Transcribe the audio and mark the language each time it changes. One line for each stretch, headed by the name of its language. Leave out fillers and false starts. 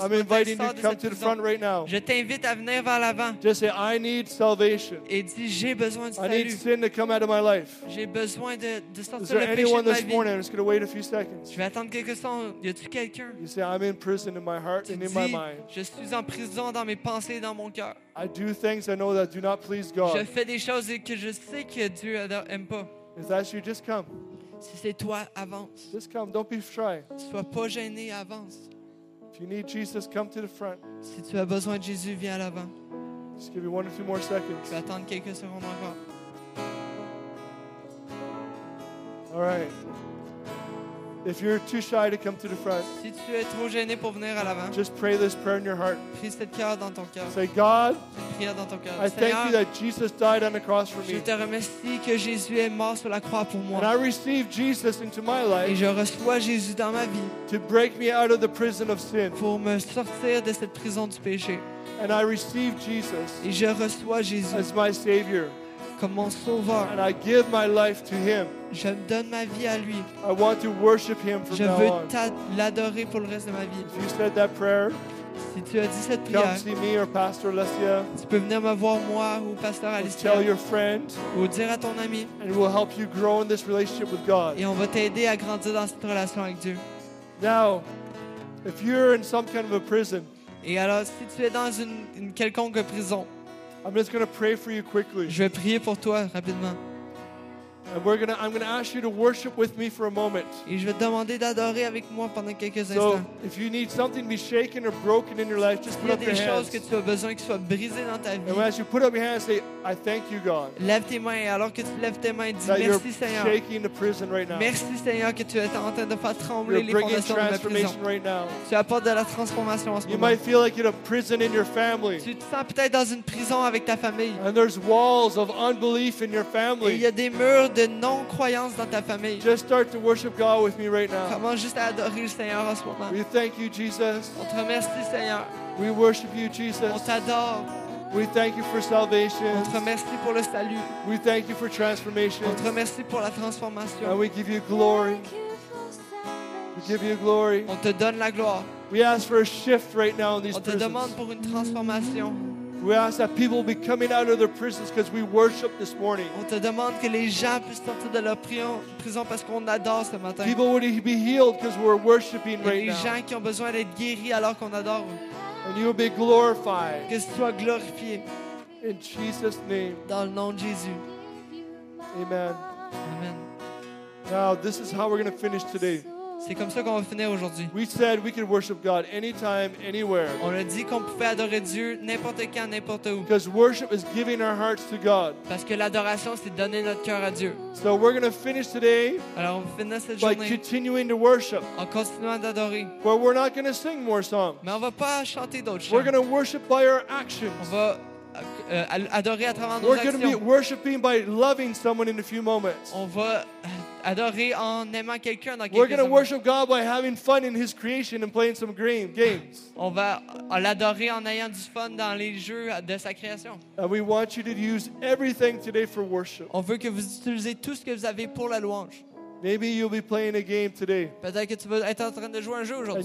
English: I'm inviting you to come to the front right now.
French: Je t'invite à venir vers l'avant.
English: Just say, I need salvation.
French: Et dis, j'ai besoin du salut.
English: I need sin to come out of my life.
French: J'ai besoin de sortir
English: Is there
French: le
English: anyone
French: péché de
English: this morning? I'm just going to wait a few seconds.
French: Je vais attendre quelques temps. Y a-t-il quelqu'un?
English: You say, I'm in prison in my heart
French: tu
English: and
French: dis,
English: in my mind.
French: Je suis en prison dans mes pensées, dans mon cœur.
English: I do things I know that do not please God.
French: Je fais des choses que je sais que Dieu n'aime pas.
English: If that's you, just come.
French: Si c'est toi, avance.
English: Just come. Don't be shy.
French: Sois pas gêné, avance.
English: If you need Jesus, come to the front.
French: Si tu as besoin de Jésus, viens à l'avant.
English: Just give me one or two more seconds.
French: Je vais attendre quelques secondes encore.
English: All right. If you're too shy to come to the front,
French: si tu es trop gêné pour venir à l'avant,
English: just pray this prayer in your heart.
French: Prie cette prière dans ton cœur.
English: Say, God,
French: prie dans ton cœur.
English: I thank you that Jesus died on the cross for me.
French: Je te remercie que Jésus est mort sur la croix pour moi.
English: And I receive Jesus into my life.
French: Et je reçois Jésus dans ma vie.
English: To break me out of the prison of sin.
French: Pour me sortir de cette prison du péché.
English: And I receive Jesus.
French: Et je reçois Jésus
English: as my Savior.
French: Comme mon sauveur.
English: And I give my life to him.
French: Je donne ma vie à lui.
English: I want to worship him from now on.
French: Je veux l'adorer pour le reste de ma vie.
English: If you said that prayer,
French: si tu as dit cette
English: come
French: prière,
English: see me or Pastor Alessia.
French: Tu peux venir me voir, moi ou Pastor Alessia.
English: Tell your friend,
French: ou dire à ton ami.
English: And we'll help you grow in this relationship with God.
French: Et on va t'aider à grandir dans cette relation avec Dieu.
English: Now, if you're in some kind of a prison,
French: et alors si tu es dans une quelconque prison,
English: I'm just going to pray for you quickly.
French: Je vais prier pour toi rapidement.
English: And I'm going to ask you to worship with me for a moment.
French: Et je vais te demander d'adorer avec moi pendant quelques instants.
English: So, if you need something to be shaken or broken in your life, just put up your hands.
French: Il y a des choses que tu as besoin qui soient brisées dans ta vie.
English: And as you put up your hands, say, I thank you, God.
French: Lève tes mains et alors que tu lèves tes mains, dis merci, Seigneur.
English: You're shaking the prison right now.
French: Merci, Seigneur, que tu es en train de faire trembler les fondations de la prison.
English: You're bringing transformation right now.
French: Tu apportes de la transformation en ce moment.
English: You might feel like you're in a prison in your family.
French: Tu te sens peut-être dans une prison avec ta famille.
English: And there's walls of unbelief in your family.
French: Et il y a des murs de non-croyance dans ta famille.
English: Just start to worship God with me right now.
French: Commence juste à adorer le Seigneur en ce moment.
English: We thank you, Jesus.
French: On te remercie, Seigneur.
English: We worship you, Jesus.
French: On t'adore.
English: We thank you for salvation.
French: On te remercie pour le salut.
English: We thank you for transformation.
French: On te remercie pour la transformation.
English: And we give you glory. We give you glory.
French: On te donne la gloire.
English: We ask for a shift right now in these prisons.
French: On te demande pour une transformation.
English: We ask that people be coming out of their prisons because we worship this morning.
French: On te demande que les gens puissent sortir de leur prison parce qu'on adore ce matin.
English: People would be healed because we're worshiping right now.
French: Les gens qui ont besoin d'être guéris alors qu'on adore.
English: And you will be glorified.
French: Que tu sois glorifié.
English: In Jesus' name.
French: Dans le nom de Jésus.
English: Amen.
French: Amen.
English: Now this is how we're going to finish today.
French: C'est comme ça qu'on va finir aujourd'hui.
English: We said we can worship God anytime, anywhere.
French: On a dit qu'on pouvait adorer Dieu n'importe quand, n'importe où.
English: Because worship is giving our hearts to God.
French: Parce que l'adoration, c'est donner notre cœur à Dieu.
English: So we're going to finish today.
French: Alors on finit cette
English: by
French: journée.
English: Continuing to worship.
French: En continuant d'adorer.
English: But we're not going to sing more songs.
French: Mais on va pas chanter d'autres chants.
English: We're going to worship by our actions.
French: On va adorer à travers
English: we're
French: nos actions.
English: We're going to be worshiping by loving someone in a few moments.
French: On va adorer en aimant quelqu'un dans quelques
English: we're going to worship God by having fun in His creation and playing some games.
French: On va l'adorer en ayant du fun dans les jeux de sa création.
English: And we want you to use everything today for worship.
French: On veut que vous utilisez tout ce que vous avez pour la louange.
English: Maybe you'll be playing a game today.
French: Peut-être que tu vas être en train de jouer un jeu aujourd'hui.